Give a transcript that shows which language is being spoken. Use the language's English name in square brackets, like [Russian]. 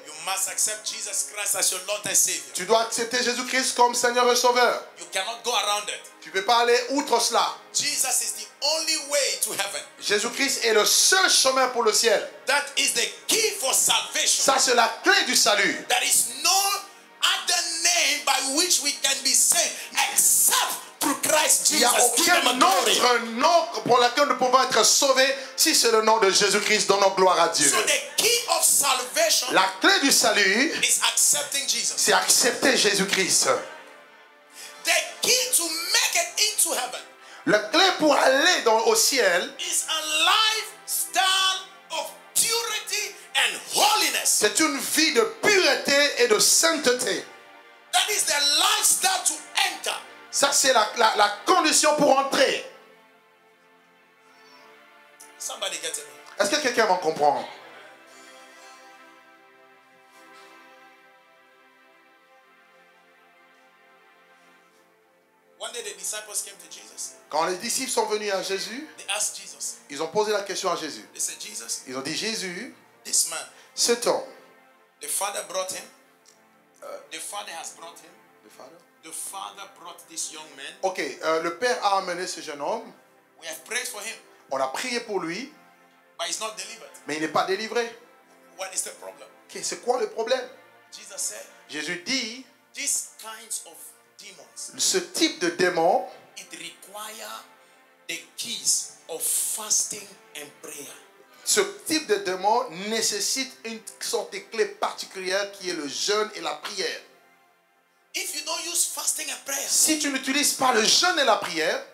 [English] You must accept Jesus Christ as your Lord and Savior. [French] Tu dois accepter Jésus-Christ comme Seigneur et Sauveur. [English] You cannot go around it. [French] Tu ne peux pas aller outre cela. [English] Jesus is the only way to heaven. [French] Jésus-Christ est le seul chemin pour le ciel. [English] That is the key for salvation. [French] Ça, c'est la clé du salut. [English] There is no other name by which we can be saved except through Christ Jesus. [French] Il n'y a aucun autre nom pour lequel nous pouvons être sauvés si c'est le nom de Jésus-Christ. Donnons gloire à Dieu. [English] So the key of salvation, [French] la clé du salut, [English] is accepting Jesus. [French] C'est accepter Jésus-Christ. [English] The key to make it into heaven, [French] la clé pour aller au ciel, [English] is a lifestyle of purity and holiness. [French] C'est une vie de pureté et de sainteté. [English] That is the lifestyle to enter. [French] Ça, c'est la condition pour entrer. [English] Somebody get it. [French] Est-ce que quelqu'un m'en comprend? [English] One day the disciples came to Jesus. [French] Quand les disciples sont venus à Jésus, [English] they asked Jesus. [French] Ils ont posé la question à Jésus. [English] They said, Jesus, [French] ils ont dit, Jésus, [English] this man, [French] cet homme, [English] the father brought him, the father has brought him, the father? The father brought this young man. [French] Ok, le père a amené ce jeune homme. [English] We have prayed for him. [French] On a prié pour lui. [English] But he's not delivered. [French] Mais il n'est pas délivré. [English] What is the problem? [French] Okay, c'est quoi le problème? [English] Jesus said, [French] Jésus dit, [English] these kinds of demons, [French] ce type de démon, [English] it require the keys of fasting and prayer. [French] Ce type de démon nécessite une sorte de clé particulière qui est le jeûne et la prière. [English] If you don't use fasting and prayer, [French] si tu n'utilises pas le jeûne et la prière,